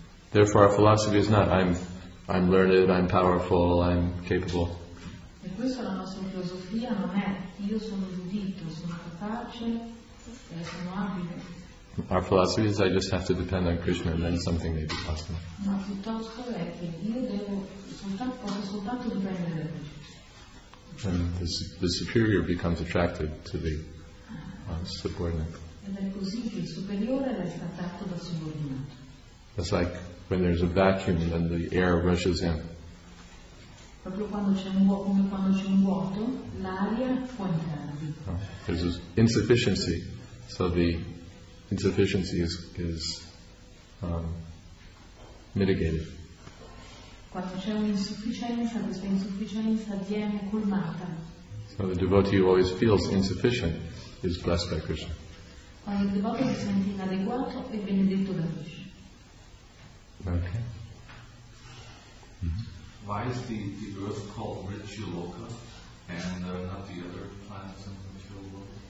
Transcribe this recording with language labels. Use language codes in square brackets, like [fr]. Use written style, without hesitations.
[en] Therefore our philosophy is not, I'm learned, I'm powerful, I'm capable. [it] E questa è la nostra filosofia, non è io sono giudito, sono capace, sono abile. [en] Our philosophy is I just have to depend on Krishna and then something may be possible. [it] Ma piuttosto è che io devo soltanto, posso soltanto dipendere da Krishna. [en] And the superior becomes attracted to the subordinate. [it] Ed è così che il superiore resta attratto dal subordinato. [en] It's like when there's a vacuum and then the air rushes in. [it] Proprio quando c'è un vuoto, come quando c'è un vuoto, l'aria può entrare. [en] There's this insufficiency, so the insufficiency is mitigated. [it] Quando c'è un'insufficienza, questa insufficienza viene colmata. [en] So the devotee who always feels insufficient is blessed by Krishna. [it] Quando il devoto si sente inadeguato è benedetto da Krishna. [en] Okay. Why is the earth called Rishyaloka and not the other planets in Rishyaloka?